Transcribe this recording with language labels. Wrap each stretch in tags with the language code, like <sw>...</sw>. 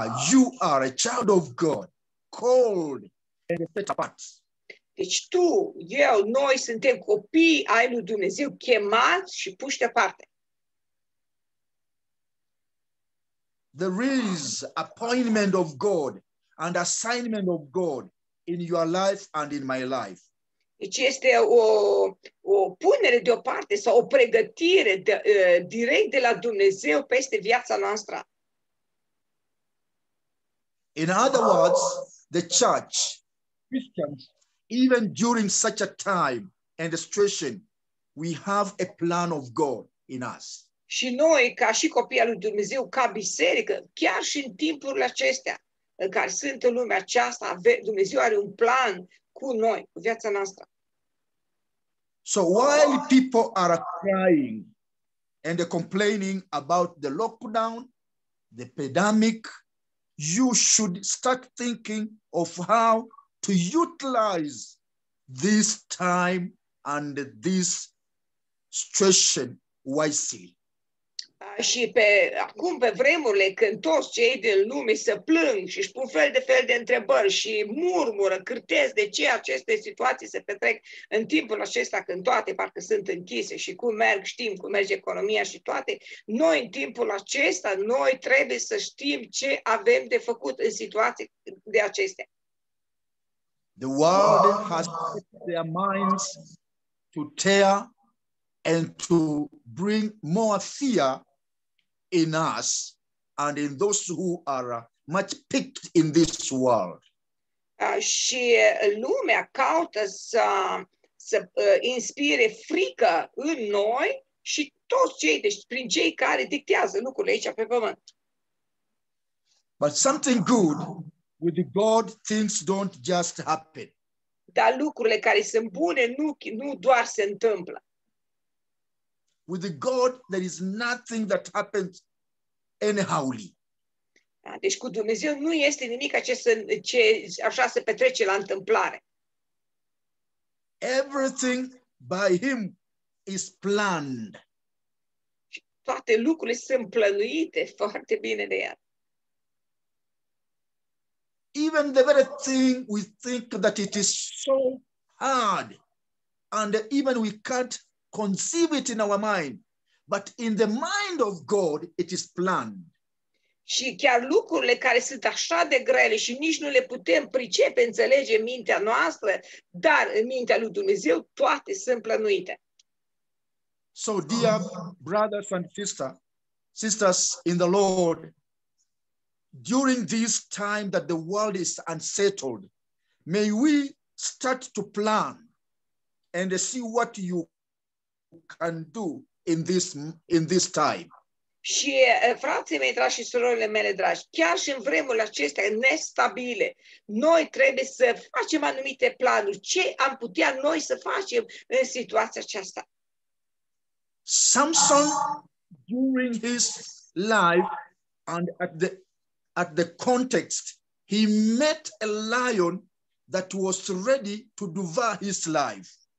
<en>You are a child of God, called and set apart.</en> <ro>Deci tu, eu, noi suntem copii ai lui Dumnezeu, chemați și puși deoparte.</ro> <en>There is appointment of God and assignment of God in your life and in my life.</en> <ro>Deci este o punere deoparte sau o pregătire direct de la Dumnezeu peste viața noastră.</ro> <en>In other words, the church, Christians, even during such a time and situation, we have a plan of God in us.</en> <ro>Și noi, ca și copii al lui Dumnezeu, ca biserică, chiar și în timpurile acestea în care sunt în lumea aceasta, Dumnezeu are un plan cu noi, cu viața noastră.</ro> <en>So while people are crying and complaining about the lockdown, the pandemic, you should start thinking of how to utilize this time and this situation wisely.</en> <ro>Și pe acum pe vremurile când toți cei din lume se plâng și își pun fel de fel de întrebări și murmură, cârtesc de ce aceste situații se petrec în timpul acesta când toate parcă sunt închise și cum merg, știm cum merge economia și toate, noi în timpul acesta noi trebuie să știm ce avem de făcut în situații de acestea.</ro> <en>The world has put their minds to tear and to bring more fear in us and in those who are much picked in this world.</en> <ro>Și lumea caută să inspire frică în noi și toți cei, deci prin cei care dictează lucrurile aici pe pământ.</ro> <en>But something good with God, things don't just happen.</en> <ro>Dar lucrurile care sunt bune nu doar se întâmplă.</ro> <en>With God, there is nothing that happens anyhowly.</en> <ro>Deci cu Dumnezeu nu este nimic ce așa se petrece la întâmplare.</ro> <en>Everything by him is planned.</en> <ro>Toate lucrurile sunt plănuite foarte bine de el.</ro> <en>Even the very thing we think that it is so hard and even we can't conceive it in our mind, but in the mind of God it is planned.</en> <ro>Și chiar lucrurile care sunt așa de grele și nici nu le putem pricepe, înțelege în mintea noastră, dar în mintea lui Dumnezeu toate sunt plănuite.</ro> <en>So, dear brothers and sisters in the Lord, during this time that the world is unsettled, may we start to plan and see what you can do in this time.</en> <ro>Și frații mei dragi și surorile mele dragi, chiar și în vremurile acestea nestabile, noi trebuie să facem anumite planuri. Ce am putea noi să facem în situația aceasta?</ro> <en>Samson, during his life and at the context, he met a lion that was ready to devour his life.</en>